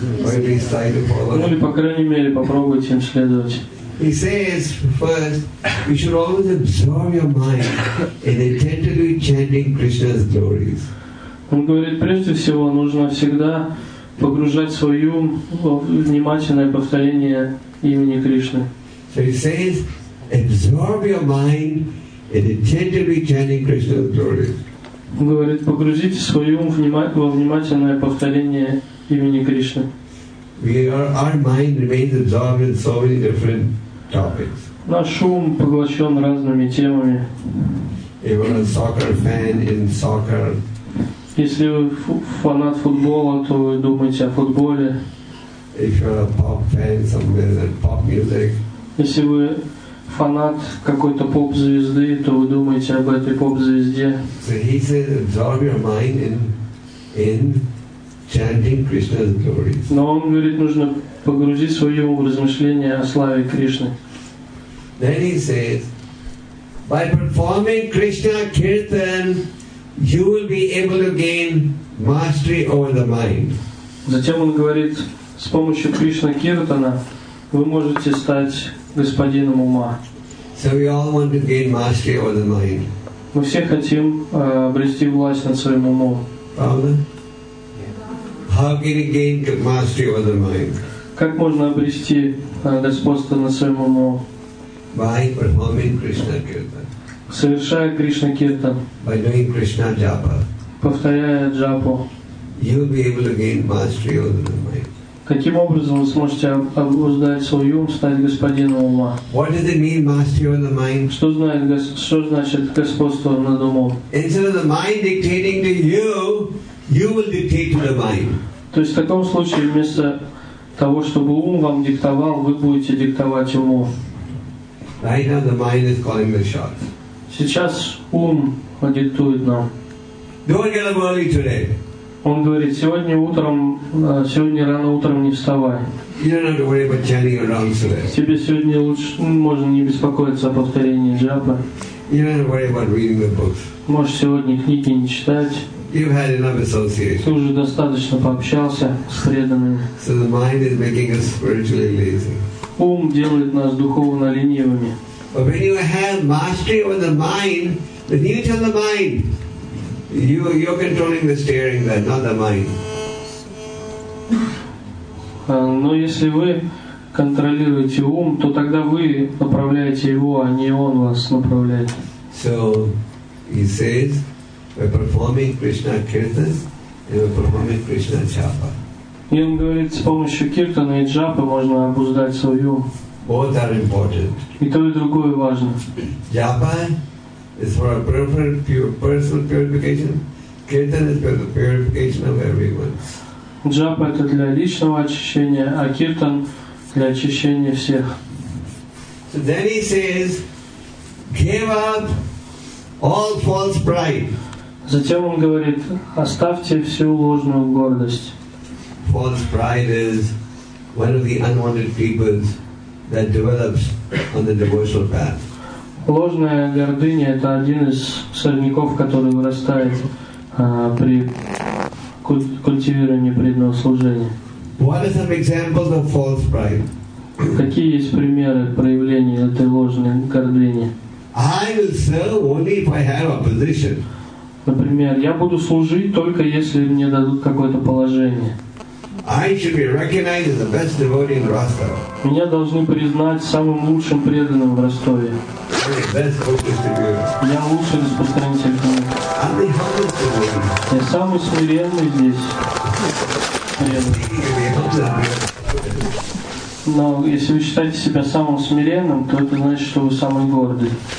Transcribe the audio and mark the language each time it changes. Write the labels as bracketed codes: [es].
[ru] Ну или, по крайней мере, попробуйте им следовать. [en] He says, first, you should always absorb your mind in attentively chanting Krishna's glories. [ru] Он говорит, прежде всего, нужно всегда погружать свой ум в внимательное повторение имени Кришны. [en] So he says, absorb your mind in attentively chanting Krishna's glories. [ru] Он говорит, погрузите свой ум во внимательное повторение имени Кришны. [en] Our mind remains absorbed in so many different topics. [ru] Наш ум поглощен разными темами. [en] If you're a soccer fan in soccer. [ru] Если вы фанат футбола, то вы думаете о футболе. [en] If you're a pop fan, something pop music. [ru] Если вы фанат какой-то поп-звезды, то вы думаете об этой поп-звезде. [en] So he says, absorb your mind in chanting Krishna's glories. [ru] Но он говорит, нужно погрузить свой ум в размышления о славе Кришны. [en] Then he says, by performing Krishna Kirtan, you will be able to gain mastery over the mind. [ru] Затем он говорит, с помощью Кришна Киртана вы можете стать господином ума. [en] So we all want to gain mastery over the mind. [ru] Мы все хотим обрести власть над своим умом. [en] How can you gain mastery over the mind? [ru] Как можно обрести господство над своим умом? [en] By performing Krishna Kirtana. [ru] Совершая Кришна Киртан. [en] By doing Krishna Japa. [ru] Повторяя джапу. [en] You'll be able to gain mastery over the mind. [ru] Каким образом вы сможете обуздать свой ум, стать господином ума? [en] What does it mean, mastery over the mind? [ru] Что значит господство над умом? [en] Instead of the mind dictating to you, you will dictate to the mind. [ru] То есть в таком случае вместо того, чтобы ум вам диктовал, вы будете диктовать уму. [en] Right now the mind is calling the shots. [ru] Сейчас ум диктует нам. [en] Don't get up early today. [ru] Он говорит, сегодня рано утром не вставай. [en] You don't have to worry about chanting your rounds today. [ru] Тебе сегодня лучше, можно не беспокоиться о повторении джапы. [en] You don't have to worry about reading the books. [ru] Можешь сегодня книги не читать. [en] You've had enough association. [ru] Ты уже достаточно пообщался с преданными. [en] So the mind is making us spiritually lazy. [ru] Ум делает нас духовно ленивыми. [en] But when you have mastery over the mind, then you tell the mind, you're controlling the steering, that not the mind. [ru] Но если вы контролируете ум, то тогда вы направляете его, а не он вас направляет. [en] So he says, we're performing Krishna Kirtan and we're performing Krishna Japa. [ru] И он говорит, с помощью киртана и джапы можно обуздать свой ум. [en] Both are important. [ru] И то, и другое важно. [en] Japan is for a personal purification. Kirtan is for the purification of everyone. [ru] Джапа это для личного очищения, а киртан для очищения всех. [en] So then he says, give up all false pride. [ru] Затем он говорит, оставьте всю ложную гордость. [en] False pride is one of the unwanted peoples that develops on the devotional path. [ru] Ложная гордыня это один из сорняков, который вырастает при культивирование преданного служения. [en] What are some examples of false pride? [ru] Какие есть примеры проявления этой ложной гордыни? [en] I will serve only if I have a position. [ru] Например, я буду служить только если мне дадут какое-то положение. [en] I should be recognized as the best devotee in Rostov. [ru] Меня должны признать самым лучшим преданным в Ростове. Я лучший распространитель книг. Я самый смиренный здесь. Но если вы считаете себя самым смиренным, то это значит, что вы самый гордый.